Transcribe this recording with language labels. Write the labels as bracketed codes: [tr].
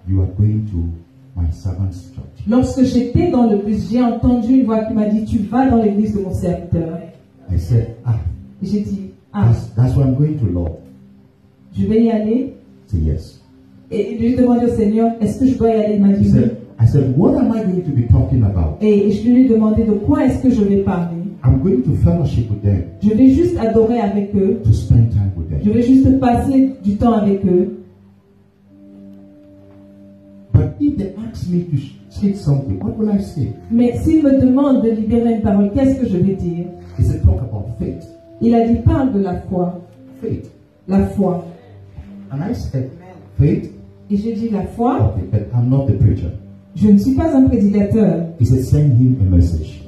[en] You are going to my servant's church. [fr] Lorsque j'étais dans le bus, j'ai entendu une voix qui m'a dit, tu vas dans l'église de mon serviteur. [en] I said, ah. [fr] Et j'ai dit, ah. [en] That's where I'm going to, Lord. [fr] Je vais y aller. [en] Say yes. [fr] Et j'ai demandé au Seigneur, est-ce que je dois y aller, m'a dit. [en] I said, what am I going to be talking about? [fr] Et je lui ai demandé de quoi est-ce que je vais parler. [en] I'm going to fellowship with them. [fr] Je vais juste adorer avec eux. [en] To spend time with them. [fr] Je vais juste passer du temps avec eux. [en] But if they ask me to say something, what will I say? [fr] Mais s'ils me demandent de libérer une parole, qu'est-ce que je vais dire? [en] He said, talk about faith. [fr] Il a dit, parle de la foi. [en] Faith. [fr] La foi. [en] And I said, faith. [fr] Et j'ai dit, la foi. [en] Okay, but I'm not the preacher. [fr] Je ne suis pas un prédicateur. [en] He said, send him a message.